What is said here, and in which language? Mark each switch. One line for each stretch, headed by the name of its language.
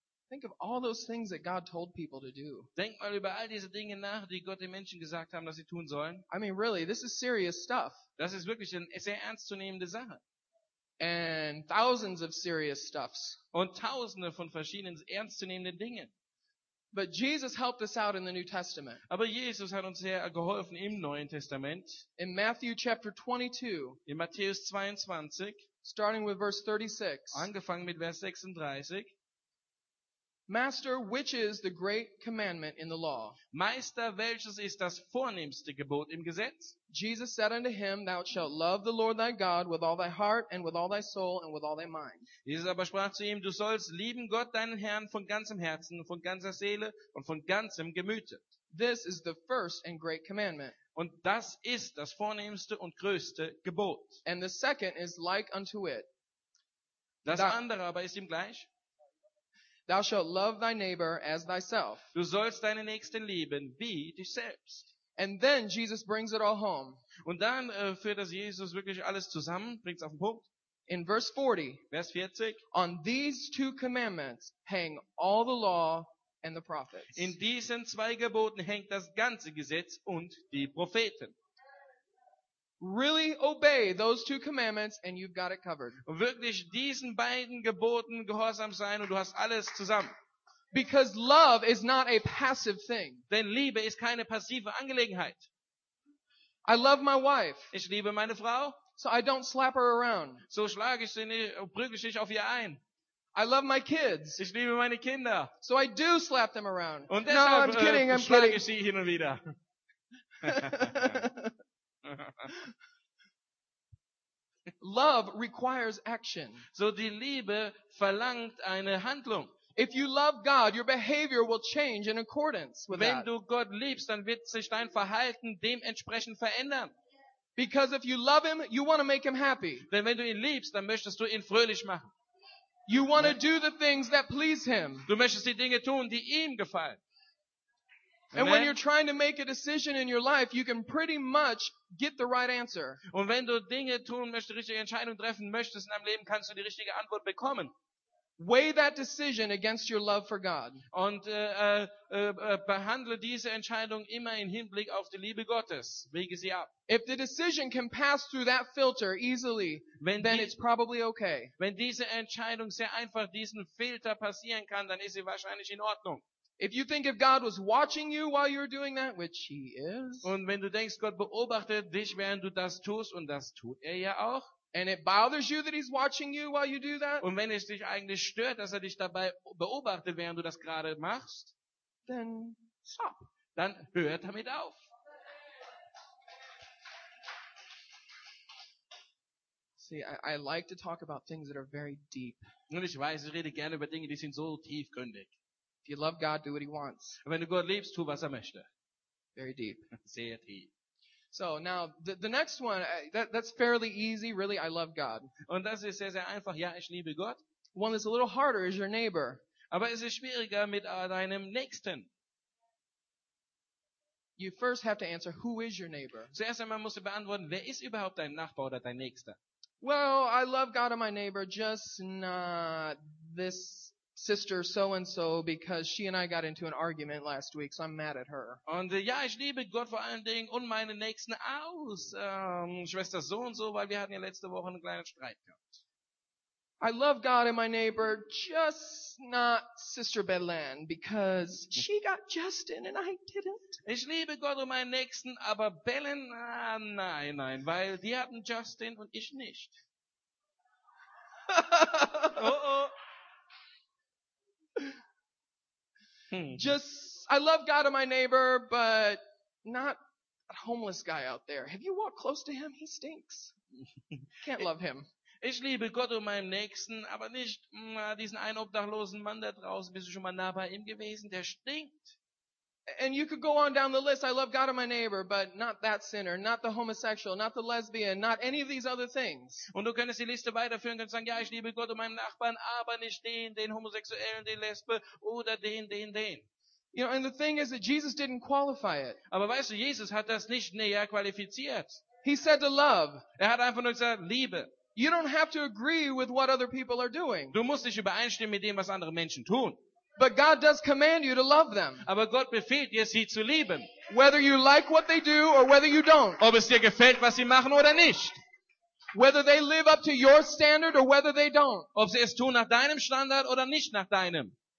English: Think of all those things that God told people to do.
German: Denk mal über all diese Dinge nach, die Gott den Menschen gesagt haben, dass sie tun sollen.
English: I mean, really, this is serious stuff.
German: Das ist wirklich eine sehr ernstzunehmende Sache.
English: And thousands of serious stuffs.
German: Und tausende von verschiedenen ernstzunehmenden Dingen.
English: But Jesus helped us out in the New Testament.
German: Aber Jesus hat uns sehr geholfen im Neuen Testament.
English: In Matthew chapter 22.
German: In Matthäus 22.
English: Starting with verse 36.
German: Angefangen mit Vers 36.
English: Master, which is the great commandment in the law?
German: Meister, welches ist das vornehmste Gebot im Gesetz?
English: Jesus said unto him, Thou shalt love the Lord thy God with all thy heart and with all thy soul and with all thy mind.
German: Jesus aber sprach zu ihm, Du sollst lieben Gott deinen Herrn von ganzem Herzen, von ganzer Seele und von ganzem Gemüte.
English: This is the first and great commandment.
German: Und das ist das vornehmste und größte Gebot.
English: And the second is like unto it.
German: Das andere aber ist ihm gleich.
English: Thou shalt love thy neighbor as thyself.
German: Du sollst deinen Nächsten lieben wie dich selbst.
English: And then Jesus brings it all home.
German: Und dann führt das Jesus wirklich alles zusammen, bringt es auf den Punkt.
English: In verse 40.
German: Vers 40.
English: On these two commandments hang all the law and the prophets.
German: In diesen zwei Geboten hängt das ganze Gesetz und die Propheten.
English: Really obey those two commandments and you've got it covered.
German: Und wirklich diesen beiden Geboten gehorsam sein und du hast alles zusammen.
English: Because love is not a passive thing.
German: Denn Liebe ist keine passive Angelegenheit.
English: I love my wife.
German: Ich liebe meine Frau.
English: So I don't slap her around.
German: So schlage ich sie nicht, prügle ich nicht auf ihr ein.
English: I love my kids.
German: Ich liebe meine Kinder.
English: So I do slap them around.
German: Und deshalb,
English: no, I'm kidding, I'm
German: schlage
English: kidding.
German: Sie hin und wieder.
English: Love requires action.
German: So die Liebe verlangt eine Handlung.
English: If you love God, your behavior will change in accordance with
German: Wenn
English: that.
German: Wenn du Gott liebst, dann wird sich dein Verhalten dementsprechend verändern.
English: Because if you love him, you want to make him happy.
German: Denn wenn du ihn liebst, dann möchtest du ihn fröhlich machen.
English: You want to do the things that please him.
German: Du möchtest die Dinge tun, die ihm gefallen.
English: And Amen. When you're trying to make a decision in your life, you can pretty much get the right answer.
German: Und wenn du Dinge tun möchtest, die richtige Entscheidung treffen möchtest in deinem Leben, kannst du die richtige Antwort bekommen.
English: Weigh that decision against your love for God.
German: Und behandle diese Entscheidung immer im Hinblick auf die Liebe Gottes. Wiege sie ab.
English: If the decision can pass through that filter easily, then it's probably okay.
German: Wenn diese Entscheidung sehr einfach diesen Filter passieren kann, dann ist sie wahrscheinlich in Ordnung.
English: If you think if God was watching you while you were doing that, which he is.
German: Und wenn du denkst, Gott beobachtet dich, während du das tust, und das tut er ja auch.
English: And it bothers you that he's watching you while you do that.
German: Und wenn es dich eigentlich stört, dass er dich dabei beobachtet, während du das gerade machst,
English: then stop.
German: Dann hör damit auf.
English: See, I like to talk about things that are very deep.
German: Und ich weiß, ich rede gerne über Dinge, die sind so tiefgründig.
English: If you love God, do what he wants.
German: Wenn du Gott liebst, tu was er möchte.
English: Very deep.
German: Sehr tief.
English: So now the next one, that's fairly easy, really. I love God.
German: Und das ist sehr, sehr einfach. Ja, ich liebe Gott.
English: One that's a little harder is your neighbor.
German: Aber es ist schwieriger mit deinem Nächsten.
English: You first have to answer, who is your neighbor?
German: Zuerst einmal musst du beantworten, wer ist überhaupt dein Nachbar oder dein Nächster?
English: Well, I love God and my neighbor, just not this sister so and so, because she and I got into an argument last week, so I'm mad at her.
German: Und ja, ich liebe Gott vor allen Dingen und meine Nächsten aus Schwester so und so, weil wir hatten ja letzte Woche einen kleinen Streit gehabt.
English: I love God and my neighbor, just not Sister Belen, because she got Justin and I didn't.
German: Ich liebe Gott und meinen Nächsten, aber Belen, nein, weil die hatten Justin und ich nicht. Oh.
English: Just, I love God and my neighbor, but not a homeless guy out there. Have you walked close to him? He stinks. Can't love him.
German: Ich liebe Gott und meinem Nächsten, aber nicht diesen einen obdachlosen Mann da draußen. Bist du schon mal nah bei ihm gewesen? Der stinkt.
English: And you could go on down the list. I love God and my neighbor, but not that sinner, not the homosexual, not the lesbian, not any of these other things.
German: Und du könntest die Liste weiterführen und könntest sagen, ja, ich liebe Gott und meinen Nachbarn, aber nicht den Homosexuellen, den Lesbe oder den.
English: You know, and the thing is that Jesus didn't qualify it.
German: Aber weißt du, Jesus hat das nicht näher qualifiziert.
English: He said to love.
German: Er hat einfach nur gesagt, Liebe.
English: You don't have to agree with what other people are doing.
German: Du musst nicht übereinstimmen mit dem, was andere Menschen tun.
English: But God does command you to love them.
German: Aber Gott befiehlt dir, sie zu lieben.
English: Whether you like what they do or whether you don't.
German: Ob es dir gefällt, was sie machen oder nicht.
English: Whether they live up to your standard or whether they don't.
German: Ob sie es tun nach deinem Standard oder nicht nach deinem.